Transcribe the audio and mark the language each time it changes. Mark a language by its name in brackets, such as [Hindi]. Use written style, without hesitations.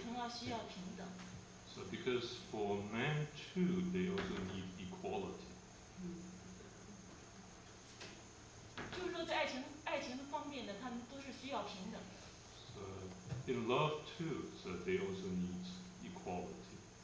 [English] So because for men too, they also need equality. [Chinese] 就是说在爱情方面呢，他们都是需要平等的。 [English] So in love too, so they also need equality.